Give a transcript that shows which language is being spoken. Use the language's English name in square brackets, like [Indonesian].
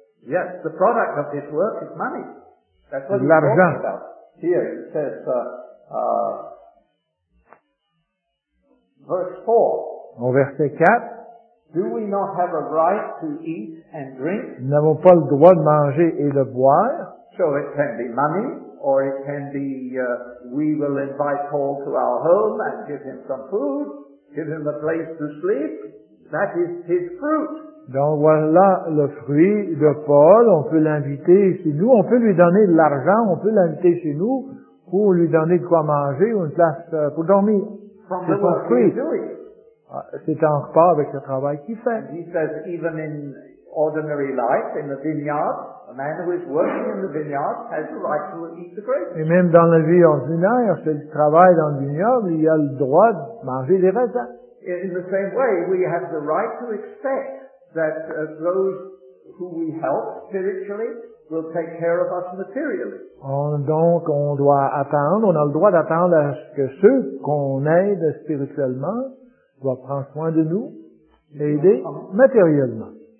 [English] Yes, the product of this work is money. That's what [French] l'argent. [English] He's talking about. Here it says, Verse 4. [French] Au verset 4. [English] Do we not have a right to eat and drink? [French] Nous n'avons pas le droit de manger et de boire. [English] So it can be money, or it can be we will invite Paul to our home and give him some food, give him a place to sleep. That is his fruit. [French] Donc voilà le fruit de Paul. On peut l'inviter chez nous. On peut lui donner de l'argent. On peut l'inviter chez nous pour lui donner de quoi manger ou une place pour dormir. From c'est son fruit. C'est en rapport avec le travail qu'il fait. [English] And he says, even in ordinary life, in the vineyard, a man who is working in the vineyard has the right to eat the grapes. [French] Et même dans la vie ordinaire, celui qui travaille dans le vignoble, il a le droit de manger des raisins. [English] In the same way, we have the right to expect that those who we help spiritually will take care of us materially. [French] On a le droit d'attendre à ce que ceux qu'on aide spirituellement doivent prendre soin de nous et aider matériellement.